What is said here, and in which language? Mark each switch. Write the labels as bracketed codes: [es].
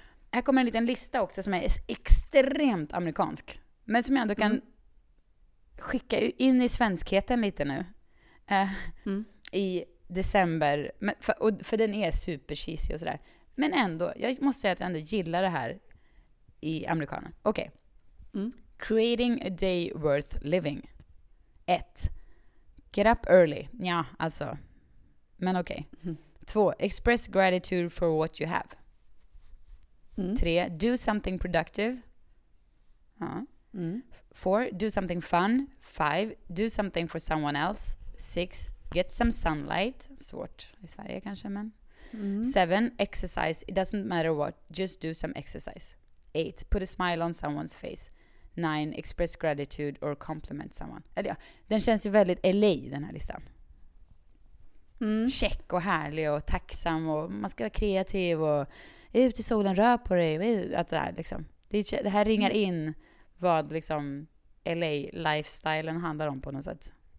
[sv] Här kommer en liten lista också som är extremt amerikansk. Men som jag ändå kan skicka in i svenskheten lite nu. I december. Men för den är super cheesy och sådär. Men ändå, jag måste säga att jag ändå gillar det här i amerikaner. Okej. [en] Creating a day worth living. [sv] 1. [en] Get up early. [sv] Ja, alltså. Men okej. 2. [en] Express gratitude for what you have. 3. Do something productive. Ja. 4. Do something fun. 5. Do something for someone else. [sv] 6. [en] Get some sunlight. [sv] Svårt i Sverige kanske, men 7. Exercise. [en] It doesn't matter what, just do some exercise. 8. Put a smile on someone's face. 9. Express gratitude or compliment someone. [sv] Eller ja, den känns ju väldigt LA, den här listan. Check och härlig och tacksam och man ska vara kreativ och ut i solen, rör på dig, att det, där, liksom. Det här ringar in vad liksom LA-lifestylen handlar om på något sätt.